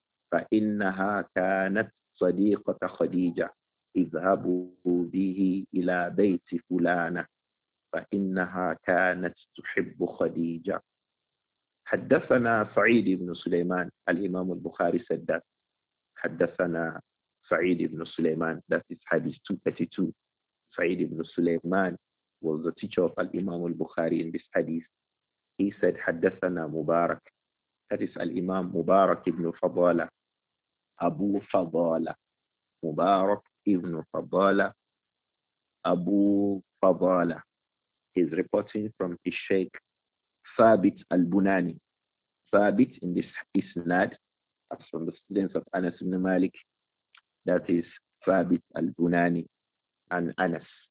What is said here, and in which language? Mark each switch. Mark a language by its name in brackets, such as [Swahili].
[Arabic] فإنها كانت صديقة خديجة اذهبوا به إلى بيت فلانة فإنها كانت تحب خديجة. حدثنا سعيد بن سليمان. [English] الإمام البخاري said that. [Arabic] حدثنا سعيد بن سليمان. [English] That is Hadith 232. سعيد بن سليمان was the teacher of الإمام البخاري in this Hadith. He said [Arabic] حدثنا مبارك. [English] That is الإمام مبارك بن فضالة. Abu Fadala, Mubarak ibn Fadala, Abu Fadala, is reporting from his Sheikh Thabit al-Bunani. Thabit in this isnad, as from the students of Anas ibn Malik, that is Thabit al-Bunani and Anas.